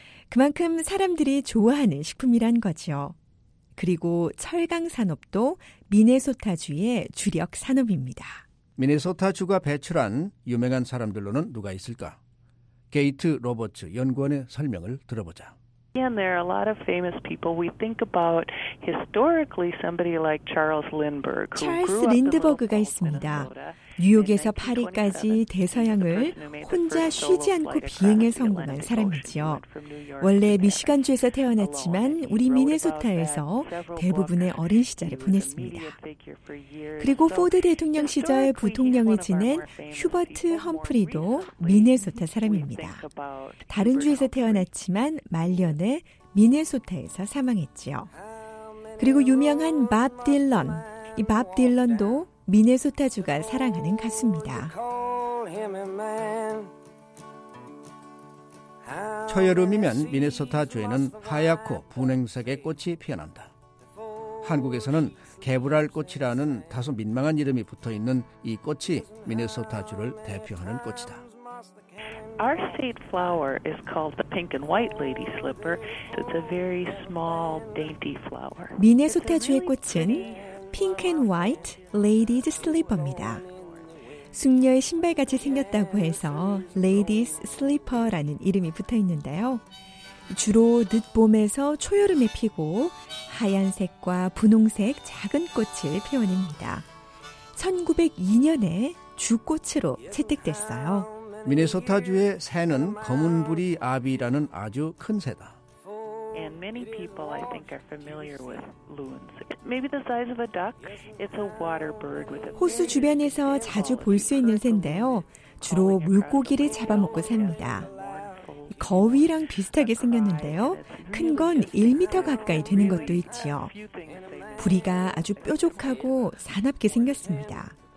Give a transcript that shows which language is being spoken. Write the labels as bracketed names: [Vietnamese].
[Korean] 그만큼 사람들이 좋아하는 식품이란 거죠. 그리고 철강 산업도 미네소타주의 주력 산업입니다. 미네소타주가 배출한 유명한 사람들로는 누가 있을까? 게이트 로버츠 연구원의 설명을 들어보자. [English] And there are a lot of famous people. We think about historically somebody like Charles Lindbergh. [Korean] 찰스 린드버그가 있습니다. 뉴욕에서 파리까지 대서양을 혼자 쉬지 않고 비행에 성공한 사람이지요. 원래 미시간주에서 태어났지만 우리 미네소타에서 대부분의 어린 시절을 보냈습니다. 그리고 포드 대통령 시절 부통령을 지낸 휴버트 험프리도 미네소타 사람입니다. 다른 주에서 태어났지만 말년에 미네소타에서 사망했지요. 그리고 유명한 밥 딜런. 이 밥 딜런도 미네소타주가 사랑하는 가수입니다. 초여름이면 미네소타주에는 하얗고 분홍색의 꽃이 피어난다. 한국에서는 개불알꽃이라는 다소 민망한 이름이 붙어있는 이 꽃이 미네소타주를 대표하는 꽃이다. [English] Our state flower is called the pink and white lady slipper. It's a very small, dainty flower. [Korean] 미네소타주의 꽃은 [English] pink and white ladies slipper [Korean] 입니다. 숙녀의 신발같이 생겼다고 해서 ladies slipper라는 이름이 붙어 있는데요. 주로 늦봄에서 초여름에 피고 하얀색과 분홍색 작은 꽃을 피워냅니다. 1902년에 주꽃으로 채택됐어요. 미네소타주의 새는 검은부리 아비라는 아주 큰 새다. [English] And many people I think are familiar with loons. Maybe the size of a duck. It's a water bird with a [Korean] 호수 주변에서 자주 볼 수 있는 새인데요. 주로 물고기를 잡아먹고 삽니다. 거위랑 비슷하게 생겼는데요. 큰 건 1m 가까이 되는 것도 있지요. 부리가 아주 뾰족하고 사납게 생겼습니다.